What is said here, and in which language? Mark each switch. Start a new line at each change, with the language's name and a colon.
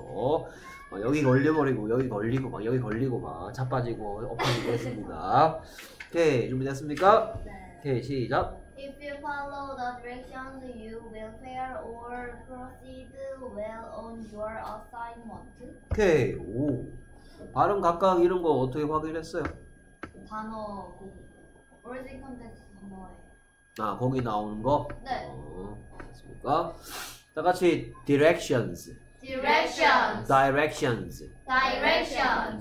Korean: 어, 여기 걸려버리고, 여기 걸리고, 막, 여기 걸리고, 막, 자빠지고, 엎어지고 했습니다. Okay, 준비됐습니까? Okay, 시작.
English: If you follow the directions, you will fare or proceed well on your assignment.
Korean: Okay, 오. 발음 각각 이런 거 어떻게 확인했어요? 단어, 그,
English: origin context.
Korean: 아, 거기 나오는 거? 네. 맞습니까? 다 같이 directions.
English: Directions. Directions. Directions.